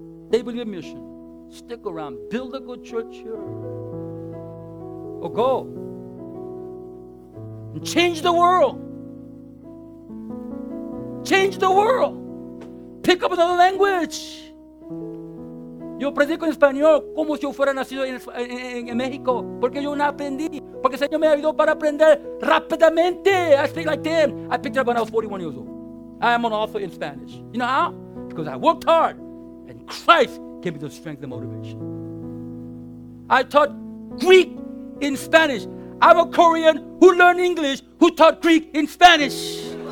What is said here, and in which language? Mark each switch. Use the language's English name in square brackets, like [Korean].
[English] They believe in mission. Stick around. Build a good church here. Or go. And change the world. Change the world. Pick up another language. [Spanish] Yo predico en español como si yo fuera nacido en México. Porque yo no aprendí. Porque el Señor me ayudó para aprender rápidamente. [English] I speak like them. I picked it up when I was 41 years old. I am an author in Spanish. You know how? Because I worked hard. And Christ gave me the strength and motivation. I taught Greek in Spanish. I'm a Korean who learned English who taught Greek in Spanish.